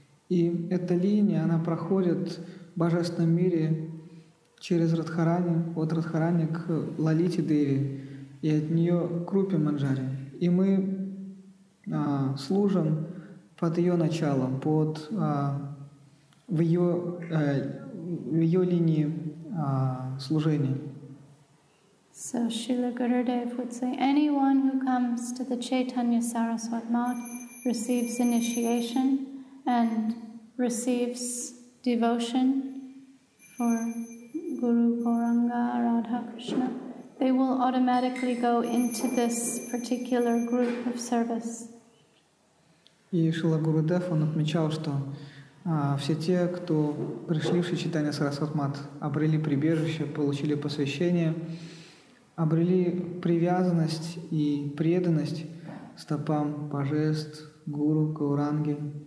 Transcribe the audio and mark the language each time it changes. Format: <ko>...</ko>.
<ru>И эта линия, она проходит в божественном мире через Радхарани, от Радхарани к Лалите Деви, и от нее к Рупе Манджари. И мы служим под ее началом, под в ее линии служения.</ru> <en>So Srila Gurudev would say, anyone who comes to the Chaitanya Saraswat Math receives initiation and receives devotion for Guru Gauranga, Radha Krishna. They will automatically go into this particular group of service.</en> <ru>И Шрила Гурудев, он отмечал, что все те, кто пришли в Шри Чайтанья Сарасват Мат, обрели прибежище, получили посвящение, обрели привязанность и преданность стопам божеств, гуру, Гауранги.</ru>